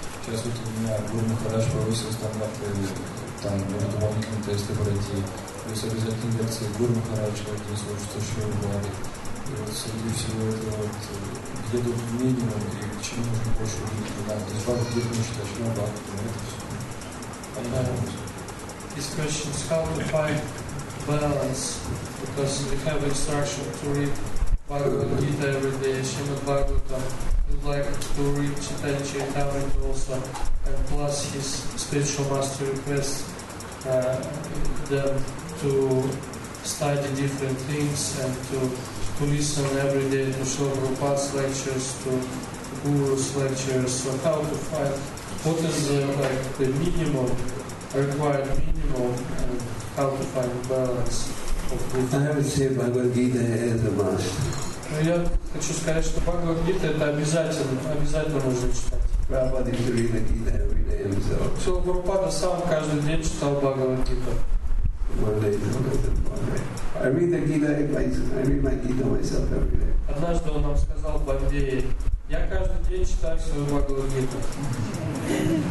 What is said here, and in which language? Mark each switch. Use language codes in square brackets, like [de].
[ru] Сейчас вот у меня Гуру Махарадж повысил стандарты, там, дополнительные тесты пройти. То есть обязательно лекции Гуру Махараджа, где слушать, что еще в Бхагавад-гиту. вот среди всего этого вот, где тут минимум и к чему нужно больше уделить внимание? То есть Бхагавад-гиту читать, что надо, это все. [en] His question is how to find balance, because we have instruction to read Bhagavad Gita every day, Srimad Bhagavatam. We'd like to read Chaitanya Charitamrita also, and plus his spiritual master requests them to study different things and to listen every day to Srila Prabhupada's lectures, to Guru's lectures. So how to find, what is the minimum, required minimum, and how to find balance of both? I would say Bhagavad Gita is a must. [ru] Я хочу сказать, что Бхагавад Гита это обязательно нужно читать. Сила Гурупада сам каждый день читал Бхагавад Гита. Однажды он нам сказал в Бомбее, я каждый день читаю свою Бхагавад Гиту.